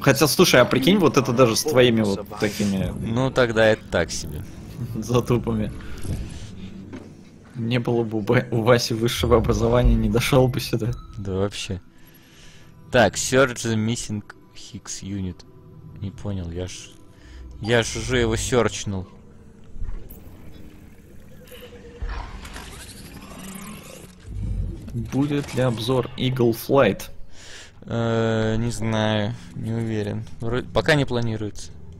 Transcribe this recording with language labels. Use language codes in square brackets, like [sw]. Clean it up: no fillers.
[ru] Хотя, слушай, а прикинь, вот это даже с твоими вот такими... Ну, тогда это так себе. Затупами. Не было бы у Васи высшего образования, не дошел бы сюда. Да вообще. [en] Так, search the missing Higgs unit. [ru] Не понял, я ж уже его серчнул. Будет ли обзор Eagle Flight? Не знаю, не уверен. Пока не планируется.